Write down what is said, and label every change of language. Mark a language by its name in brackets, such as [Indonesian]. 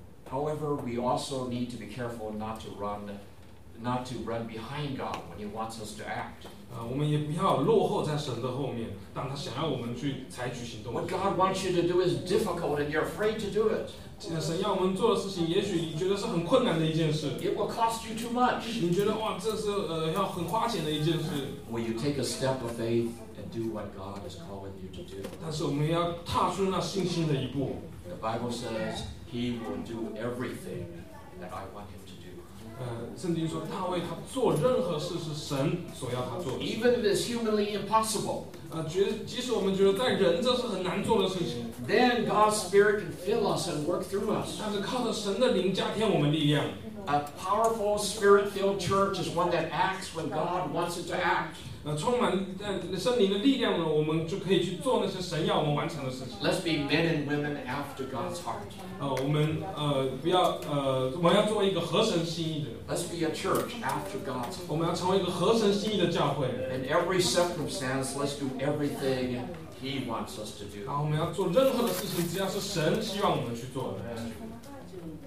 [English] However, we also need to be careful not to run behind God when He wants us to act. [Chinese] 我们也不要落后在神的后面，当他想要我们去采取行动。 [English] What God wants you to do is difficult, and you're afraid to do it. [Chinese] 神要我们做的事情，也许你觉得是很困难的一件事。 [English] It will cost you too much. [Chinese] 你觉得哇，这是要很花钱的一件事。 [English] Will you take a step of faith and do what God is calling you to do? [Chinese] 但是我们要踏出那信心的一步。 [English] The Bible says He will do everything that I want Him to do. [Chinese] 圣经说大卫他做任何事是神所要他做的。 [English] Even if it's humanly impossible. [Chinese] 即使我们觉得在人这是很难做的事情。 [English] Then God's Spirit can fill us and work through us. [Chinese] 但是靠着神的灵加添我们力量。 [English] A powerful spirit-filled church is one that acts when God wants it to act. [Chinese] 充满圣灵的力量呢，我们就可以去做那些神要我们完成的事情。 [English] Let's be men and women after God's heart. [Chinese] 我们要做一个合神心意的。 [English] Let's be a church after God's heart. [Chinese] 我们要成为一个合神心意的教会。 [English] In every circumstance, let's do everything He wants us to do. [Chinese] 然后我们要做任何的事情，只要是神希望我们去做的。